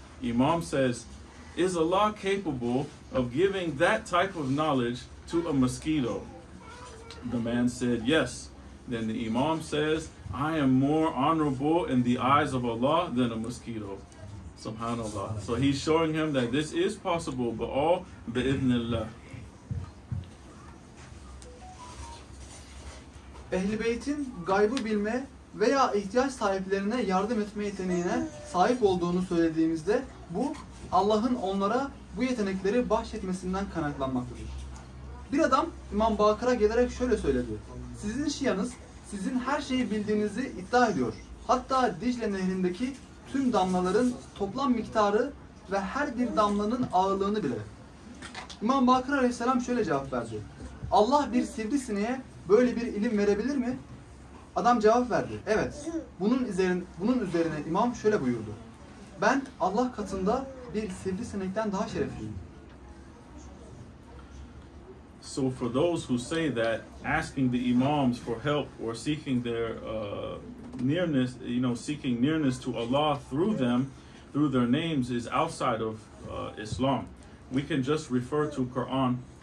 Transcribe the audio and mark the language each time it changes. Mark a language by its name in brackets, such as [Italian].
[English] Imam says, is Allah capable of giving that type of knowledge to a mosquito? The man said, yes. Then the imam says, I am more honorable in the eyes of Allah than a mosquito. SubhanAllah. So he's showing him that this is possible, but all bi'idhnillah. [Turkish] Ehl-i Beyt'in gaybı bilme veya ihtiyaç sahiplerine yardım etme yeteneğine sahip olduğunu söylediğimizde bu Allah'ın onlara bu yetenekleri bahşetmesinden kaynaklanmaktadır. Bir adam İmam Bakır'a gelerek şöyle söyledi. Sizin şianız sizin her şeyi bildiğinizi iddia ediyor. Hatta Dicle Nehri'ndeki tüm damlaların toplam miktarı ve her bir damlanın ağırlığını bile. İmam Bakır Aleyhisselam şöyle cevap verdi. Allah bir sivrisineğe böyle bir ilim verebilir mi? Adam cevap verdi. Evet. Bunun üzerine imam şöyle buyurdu. Ben Allah katında bir sivrisinekten daha şerefliyim. [English] So for those who say that asking the imams for help or seeking their nearness, you know, seeking nearness to Allah through them, through their names, is outside of Islam, we can just refer to Quran.